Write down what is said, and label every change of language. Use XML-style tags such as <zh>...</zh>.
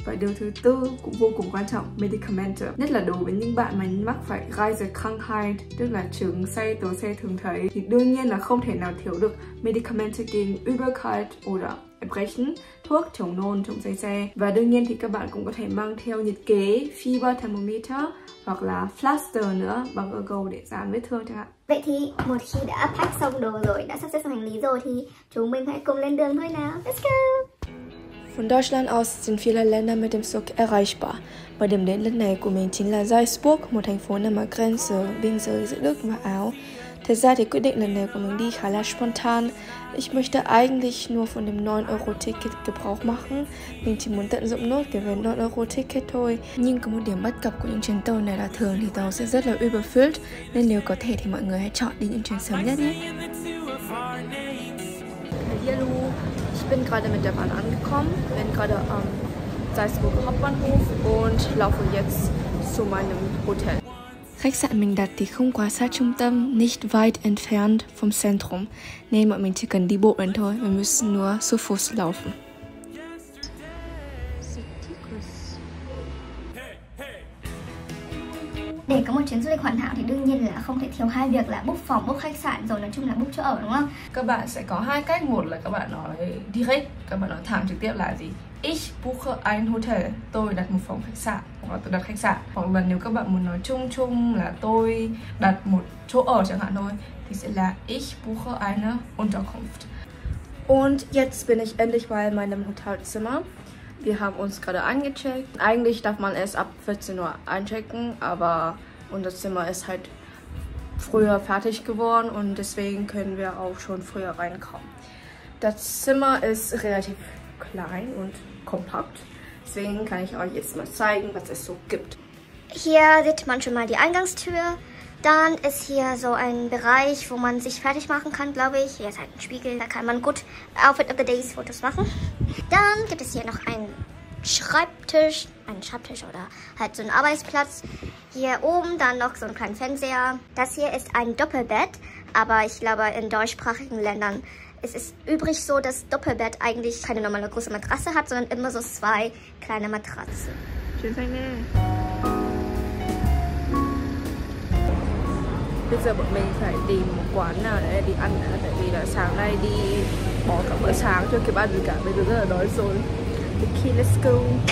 <vi>Và điều thứ tư cũng vô cùng quan trọng, Medikamente. Nhất là đối với những bạn mà mắc phải Reisekrankheit, tức là chứng say tố xe thường thấy, thì đương nhiên là không thể nào thiếu được</vi> <de>Medikamente gegen Übelkeit oder Erbrechen,</de> <vi>thuốc chống nôn, chống say xe. Và đương nhiên thì các bạn cũng có thể mang theo nhiệt kế,</vi> <en>fever thermometer</en> <vi>hoặc là plaster nữa bằng ơ gầu để dán vết thương chẳng hạn. Vậy thì một khi đã pack xong đồ rồi, đã sắp xếp hành lý rồi thì chúng mình hãy cùng lên đường thôi nào.</vi> <en>Let's go!</en> <de>Von Deutschland aus sind viele Länder mit dem Zug erreichbar.</de> <vi>Bei dem đến lần này của mình chính là Salzburg, một thành phố nằm ở Grenze, biên giới giữa Đức và Áo. Thật ra thì quyết định lần này của mình đi khá là spontan.</vi> <de>Ich möchte eigentlich nur von dem 9-Euro-Ticket Gebrauch machen.</de> <vi>Mình chỉ muốn tận dụng nốt cái vé 9-Euro-Ticket thôi. Nhưng có một điểm bất cập của những chuyến tàu này là thường thì tàu sẽ rất là overfilled. Nên nếu có thể thì mọi người hãy chọn đi những chuyến sớm nhất nhé.</vi> <de>Hello, ich bin gerade mit der Bahn angekommen. Bin gerade am Salzburg Hauptbahnhof und laufe jetzt zu meinem Hotel.</de> <vi>Khách sạn mình đặt thì không quá xa trung tâm,</vi> <de>nicht weit entfernt vom Zentrum,</de> <vi>nên bọn mình chỉ cần đi bộ đến thôi,</vi> <de>wir müssen nur zu Fuß laufen.</de> <vi>Để có một chuyến du lịch hoàn hảo thì đương nhiên là không thể thiếu hai việc là book phòng, book khách sạn, rồi nói chung là book chỗ ở, đúng không? Các bạn sẽ có hai cách, một là các bạn nói direct, các bạn nói thẳng trực tiếp là gì?</vi> <de>Ich buche ein Hotel,</de> <vi>tôi đặt một phòng khách sạn, hoặc tôi đặt khách sạn. Hoặc là nếu các bạn muốn nói chung chung là tôi đặt một chỗ ở chẳng hạn thôi, thì sẽ là</vi> <de>ich buche eine Unterkunft. Und jetzt bin ich endlich mal in meinem Hotelzimmer. Wir haben uns gerade eingecheckt. Eigentlich darf man erst ab 14 Uhr einchecken, aber unser Zimmer ist halt früher fertig geworden und deswegen können wir auch schon früher reinkommen. Das Zimmer ist relativ klein und kompakt. Deswegen kann ich euch jetzt mal zeigen, was es so gibt. Hier sieht man schon mal die Eingangstür. Dann ist hier so ein Bereich, wo man sich fertig machen kann, glaube ich. Hier ist halt ein Spiegel, da kann man gut</de> <en>Outfit of the Days</en> <de>Fotos machen. Dann gibt es hier noch einen Schreibtisch oder halt so einen Arbeitsplatz. Hier oben dann noch so einen kleinen Fernseher. Das hier ist ein Doppelbett, aber ich glaube, in deutschsprachigen Ländern ist es üblich so, dass Doppelbett eigentlich keine normale große Matratze hat, sondern immer so zwei kleine Matratzen.</de> <vi>Bây giờ bọn mình phải tìm một quán nào để đi ăn nữa, tại vì là sáng nay đi bỏ cả bữa sáng chưa kịp ăn gì cả, bây giờ rất là đói rồi.</vi> <en>Okay, let's go.</en>